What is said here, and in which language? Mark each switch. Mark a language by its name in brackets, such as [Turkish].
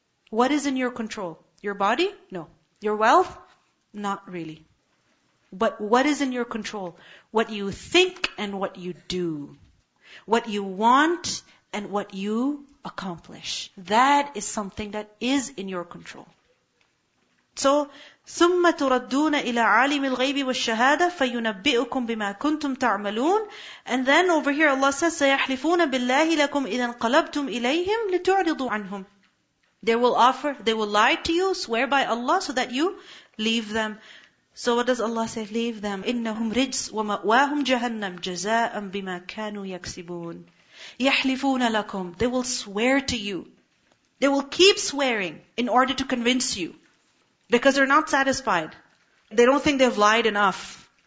[English] What is in your control? Your body? No. Your wealth? Not really. But what is in your control? What you think and what you do. What you want and what you accomplish. That is something that is in your control. So, [Arabic] ثم تردون إلى عالم الغيب والشهادة فينبئكم بما كنتم تعملون. [English] And then over here Allah says, [Arabic] سيحلفون بالله لكم إذا انقلبتم إليهم لتعرضوا عنهم. [English] They will lie to you, swear by Allah, so that you leave them. So what does Allah say? Leave them. [Arabic] إنهم رجس ومأواهم جهنم جزاء بما كانوا يكسبون. يحلفون لكم. [English] They will swear to you. They will keep swearing in order to convince you. Because they're not satisfied. They don't think they've lied enough.